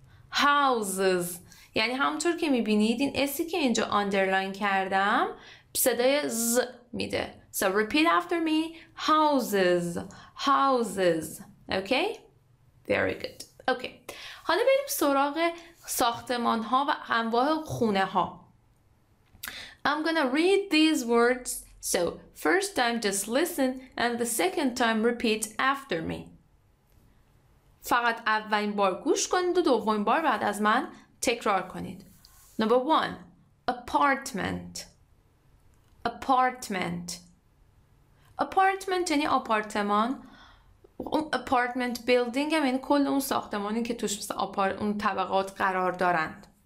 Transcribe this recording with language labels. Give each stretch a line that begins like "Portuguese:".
Persian: هاوزز یعنی همونطور که میبینید این اسی که اینجا آندرلاین کردم صدای ز میده.
English: So repeat after me. Houses. Houses. Okay? Very good. Okay.
Persian: حالا بریم سراغ ساختمان ها و انواع خونه ها.
English: I'm gonna read these words. So first time just listen and the second time repeat after me.
Persian: فقط اولین بار گوش کنید و دومین بار بعد از من تکرار کنید.
English: Number one, apartment. Apartment.
Persian: Apartment یعنی آپارتمان. Apartment building هم یعنی کل اون ساختمانی که توش اون طبقات قرار دارند.